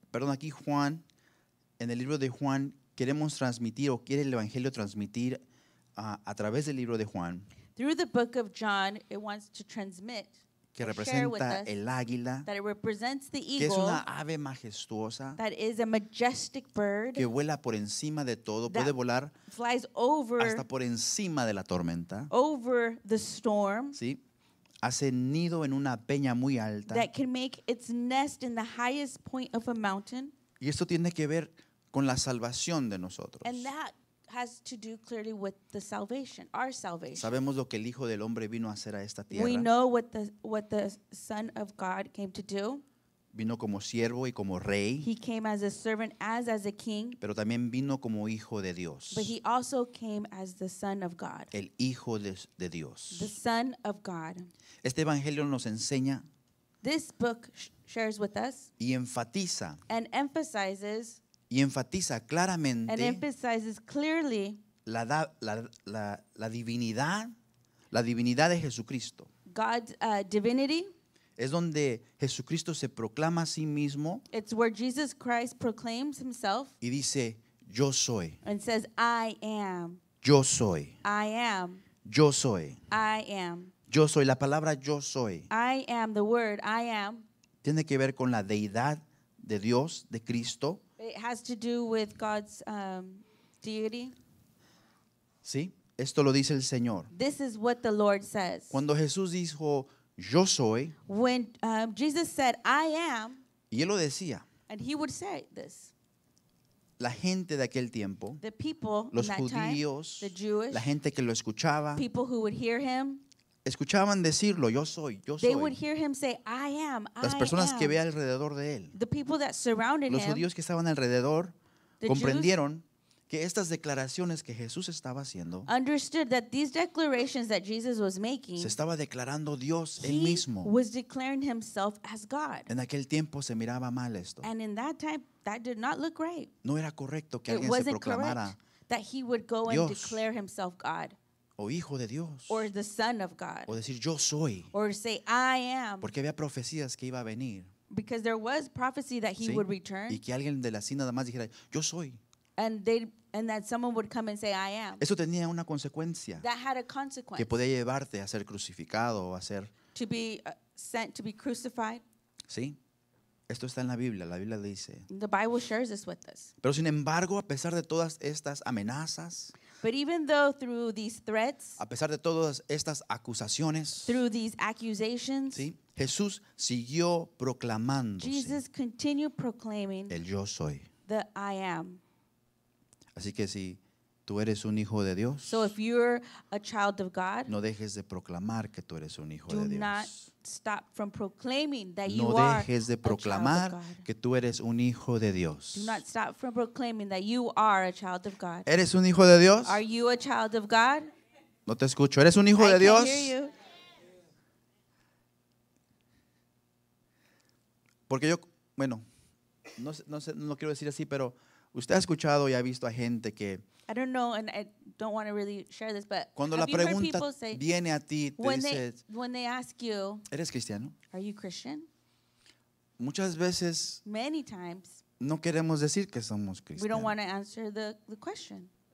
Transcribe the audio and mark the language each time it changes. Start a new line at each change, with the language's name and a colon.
Spanish: Aquí Juan, en el libro de Juan, queremos transmitir o quiere el Evangelio transmitir a través del libro de Juan.
English: Through the book of John, it wants to transmit,
Spanish: que representa
English: share with us,
Spanish: el águila,
English: that it represents the eagle,
Spanish: que es una ave majestuosa,
English: that is a majestic bird,
Spanish: que vuela por encima de todo, puede volar
English: flies over,
Spanish: hasta por encima de la tormenta,
English: over the storm,
Spanish: ¿sí? Hace nido en una peña muy alta,
English: that can make its nest in the highest point of a mountain,
Spanish: y esto tiene que ver con la salvación de nosotros.
English: And that has to do clearly with the salvation, our salvation.
Spanish: Sabemos lo que el Hijo del Hombre vino a hacer a esta tierra.
English: We know what the Son of God came to do.
Spanish: Vino como siervo y como rey.
English: He came as a servant, as a king.
Spanish: Pero también vino como Hijo de Dios.
English: But he also came as the Son of God.
Spanish: El Hijo de Dios.
English: The Son of God.
Spanish: Este evangelio nos enseña.
English: This book shares with us.
Spanish: Y enfatiza.
English: And emphasizes.
Spanish: Y enfatiza claramente
English: and emphasizes clearly
Spanish: la divinidad de Jesucristo.
English: God's divinity.
Spanish: Es donde Jesucristo se proclama a sí mismo.
English: It's where Jesus Christ proclaims himself.
Spanish: Y dice, yo soy.
English: And says, I am.
Spanish: Yo soy.
English: I am.
Spanish: Yo soy.
English: I am.
Spanish: Yo soy. La palabra yo soy.
English: I am, the word, I am.
Spanish: Tiene que ver con la deidad de Dios, de Cristo.
English: It has to do with God's deity.
Spanish: Sí, esto lo dice el Señor.
English: This is what the Lord says.
Spanish: Cuando Jesús dijo, yo soy.
English: When Jesus said, I am.
Spanish: Y él lo decía.
English: And he would say this.
Spanish: La gente de aquel tiempo.
English: The people
Spanish: los
English: in that
Spanish: judíos,
English: time. The Jewish.
Spanish: La gente que lo escuchaba.
English: People who would hear him.
Spanish: Escuchaban decirlo, yo soy, yo soy.
English: They would hear him say, I am, I am.
Spanish: Las personas que ve alrededor de él.
English: The people that surrounded him.
Spanish: Los judíos que estaban alrededor comprendieron que estas declaraciones que Jesús estaba haciendo,
English: understood that these declarations that Jesus was making,
Spanish: se estaba declarando Dios él mismo.
English: He was declaring himself as God.
Spanish: En aquel tiempo se miraba mal esto.
English: And in that time, that did not look right.
Spanish: No era correcto que alguien se proclamara
English: that he would go
Spanish: Dios.
English: And declare himself God.
Spanish: O hijo de Dios.
English: Or the son of God.
Spanish: O decir, yo soy.
English: Or say, I am.
Spanish: Porque había profecías que iba a venir.
English: Because there was prophecy that he
Spanish: sí.
English: would return.
Spanish: Y que alguien de la cena nada más dijera, yo soy.
English: And that someone would come and say, I am.
Spanish: Eso tenía una consecuencia.
English: That had a consequence.
Spanish: Que podía llevarte a ser crucificado o a ser.
English: To be sent, to be crucified.
Spanish: Sí. Esto está en la Biblia dice.
English: The Bible shares this with us.
Spanish: Pero sin embargo, a pesar de todas estas amenazas.
English: But even though through these threats.
Spanish: A pesar de todas estas acusaciones.
English: Through these accusations.
Spanish: Sí. Jesús siguió proclamándose.
English: Jesus continued proclaiming.
Spanish: El yo soy.
English: The I am.
Spanish: Así que si tú eres un hijo de Dios.
English: So if you're a child of God.
Spanish: No dejes de proclamar que tú eres un hijo de Dios.
English: Do not stop from proclaiming that
Spanish: no
English: you
Spanish: dejes
English: are
Spanish: de proclamar
English: a child of God.
Spanish: Que tú eres un hijo de Dios.
English: Do not stop from proclaiming that you are a child of God.
Spanish: ¿Eres un hijo de Dios?
English: Are you a child of God?
Spanish: No te escucho. ¿Eres un hijo
English: I
Spanish: de Dios?
English: I can't hear you.
Spanish: Porque yo, bueno, no quiero decir así, pero usted ha escuchado y ha visto a gente que
English: I don't know and I don't want to really share this, but
Spanish: cuando la pregunta viene a ti, te
English: dices, when they ask you,
Spanish: ¿eres cristiano?
English: Are you Christian?
Spanish: Muchas veces
English: many times
Spanish: no queremos decir que somos cristianos.
English: We don't want to answer the question.